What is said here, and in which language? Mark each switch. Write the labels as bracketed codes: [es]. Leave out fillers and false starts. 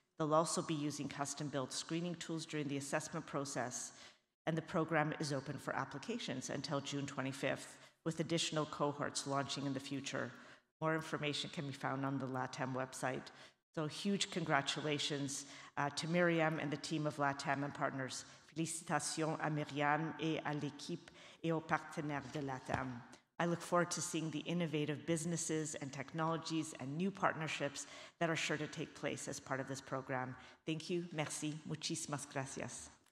[en] They'll also be using custom-built screening tools during the assessment process, and the program is open for applications until June 25th, with additional cohorts launching in the future. More information can be found on the LATAM website. So huge congratulations to Myriam and the team of LATAM and partners. [fr] Félicitations à Myriam et à l'équipe et aux partenaires de LATAM. [en] I look forward to seeing the innovative businesses and technologies and new partnerships that are sure to take place as part of this program. Thank you. [fr] Merci. [es] Muchísimas gracias.